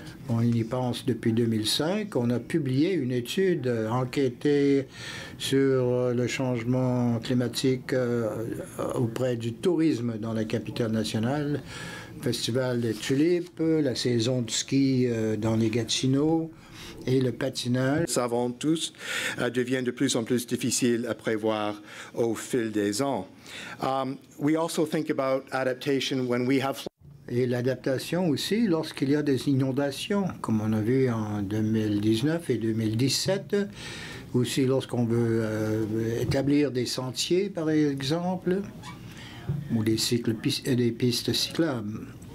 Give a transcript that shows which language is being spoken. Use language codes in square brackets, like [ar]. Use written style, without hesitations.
[fr] On y pense depuis 2005. On a publié une étude enquêtée sur le changement climatique auprès du tourisme dans la Capitale Nationale. Festival des tulipes, la saison de ski dans les Gatineaux. Et le patinage, nous savons tous, devient de plus en plus difficile à prévoir au fil des ans. [en] We also think about adaptation when we have floods. [fr] Et l'adaptation aussi lorsqu'il y a des inondations, comme on a vu en 2019 et 2017, aussi lorsqu'on veut établir des sentiers, par exemple, ou des pistes cyclables.